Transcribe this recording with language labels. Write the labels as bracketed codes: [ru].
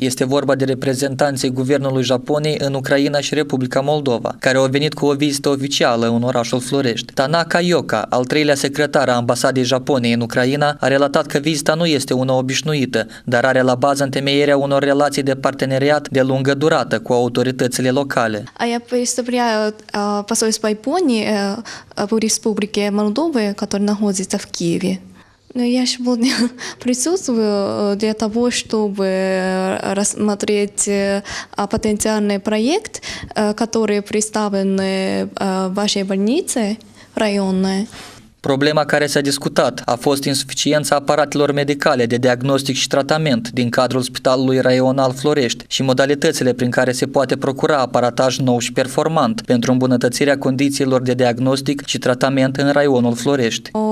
[ro] Este vorba de reprezentanții guvernului Japoniei în Ucraina și Republica Moldova, care au venit cu o vizită oficială în orașul Florești. Tanaka Yoka, al treilea secretar a ambasadei Japoniei în Ucraina, a relatat că vizita nu este una obișnuită, dar are la bază întemeierea unor relații de parteneriat de lungă durată cu autoritățile locale. [ru] Я представляю посольство Японии в Республике Молдова, которая находится в Киеве. Но я сегодня присутствую для того, чтобы рассмотреть потенциальный проект, который представлен вашей больнице районной. [ro] Problema care s-a discutat a fost insuficiența aparatelor medicale de diagnostic și tratament din cadrul Spitalului Raional Florești și modalitățile prin care se poate procura aparataj nou și performant pentru îmbunătățirea condițiilor de diagnostic și tratament în Raionul Florești.